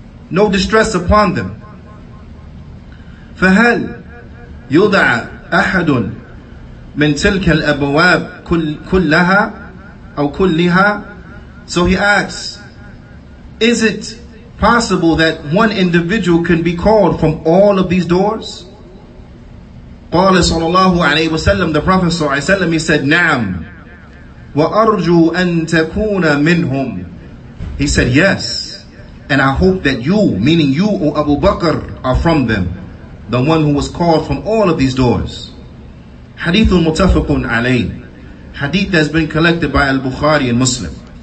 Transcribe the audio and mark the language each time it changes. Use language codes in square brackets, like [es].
[en] No distress upon them. [ar] فَهَلْ يُدْعَ أَحَدٌ مِنْ تِلْكَ الْأَبْوَابِ كُلَّهَا أَوْ كُلِّهَا. [en] So he asks, is it possible that one individual can be called from all of these doors? [ar] قال صلى الله عليه وسلم, [en] the Prophet [ar] صلى الله عليه وسلم, he said, نعم وأرجو أن تكون منهم. [en] He said, yes, and I hope that you, meaning you, O Abu Bakr, are from them, the one who was called from all of these doors. [ar] حديث متفق عليه, [en] hadith has been collected by Al-Bukhari and Muslim.